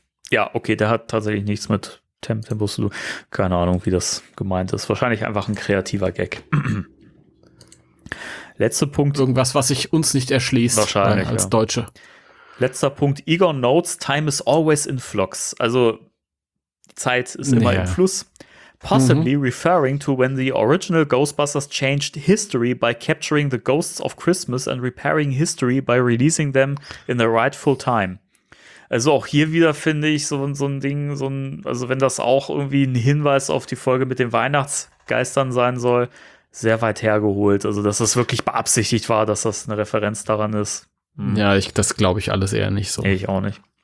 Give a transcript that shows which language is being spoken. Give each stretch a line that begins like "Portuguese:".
German: Ja, okay, der hat tatsächlich nichts mit Tempus zu tun. Keine Ahnung, wie das gemeint ist. Wahrscheinlich einfach ein kreativer Gag. Letzter Punkt. Irgendwas, was sich uns nicht erschließt. Wahrscheinlich, als Deutsche. Letzter Punkt.
English: Egon notes, time is always in flux.
German: Also, Zeit ist immer im Fluss.
English: Possibly referring to when the original Ghostbusters changed history by capturing the ghosts of Christmas and repairing history by releasing them in the rightful time.
German: Also auch hier wieder finde ich so ein Ding, wenn das auch irgendwie ein Hinweis auf die Folge mit den Weihnachtsgeistern sein soll, sehr weit hergeholt. Also dass das wirklich beabsichtigt war, dass das eine Referenz daran ist. Ja, das glaube ich alles eher nicht so. Ich auch nicht.